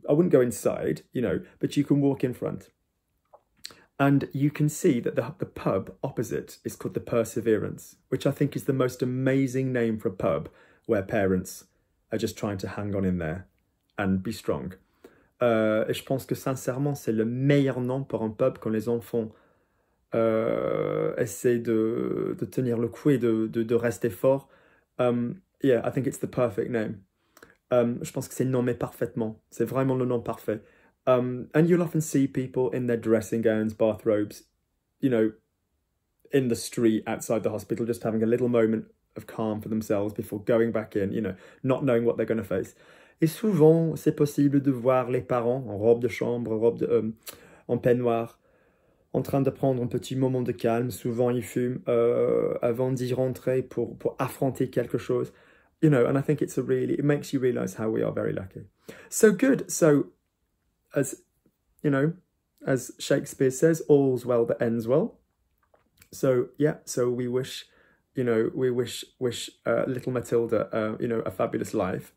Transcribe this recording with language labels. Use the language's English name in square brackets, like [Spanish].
[English] I wouldn't go inside, you know, but you can walk in front. And you can see that the pub opposite is called the Perseverance, which I think is the most amazing name for a pub where parents are just trying to hang on in there and be strong. [French] Et je pense que sincèrement, c'est le meilleur nom pour un pub quand les enfants essaient de tenir le coup et de rester fort. [English] Yeah, I think it's the perfect name. [French] Je pense que c'est nommé parfaitement. C'est vraiment le nom parfait. [English] And you'll often see people in their dressing gowns, bathrobes, you know, in the street outside the hospital, just having a little moment of calm for themselves before going back in, you know, not knowing what they're going to face. [French] Et souvent, c'est possible de voir les parents en robe de chambre, en peignoir, en train de prendre un petit moment de calme. Souvent, ils fument avant d'y rentrer pour affronter quelque chose. [English] You know, and I think it's a really, it makes you realize how we are very lucky. So good. So, as you know, as Shakespeare says, all's well that ends well. So, yeah, so we wish, you know, we wish little Matilda, you know, a fabulous life.